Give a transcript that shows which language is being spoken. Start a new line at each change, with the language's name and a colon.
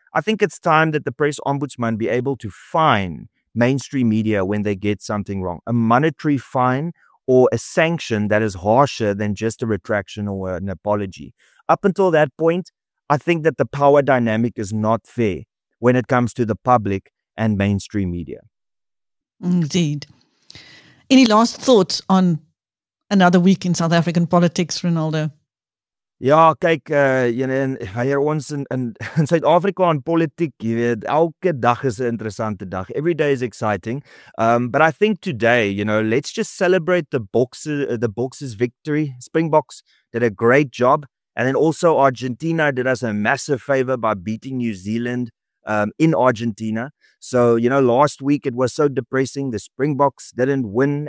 English: I think it's time that the press ombudsman be able to fine mainstream media when they get something wrong, a monetary fine or a sanction that is harsher than just a retraction or an apology. Up until that point, I think that the power dynamic is not fair when it comes to the public and mainstream media. Indeed. Any last thoughts on another week in South African politics, Ronaldo?
Afrikaans: Ja, kyk, hier ons in Suid-Afrika en politiek, jy weet, elke dag is 'n interessante dag.
English: Every day is exciting. But I think today, you know, let's just celebrate the Boxers victory. Springboks did a great job. And then also Argentina did us a massive favor by beating New Zealand in Argentina. So, you know, last week it was so depressing. The Springboks didn't win.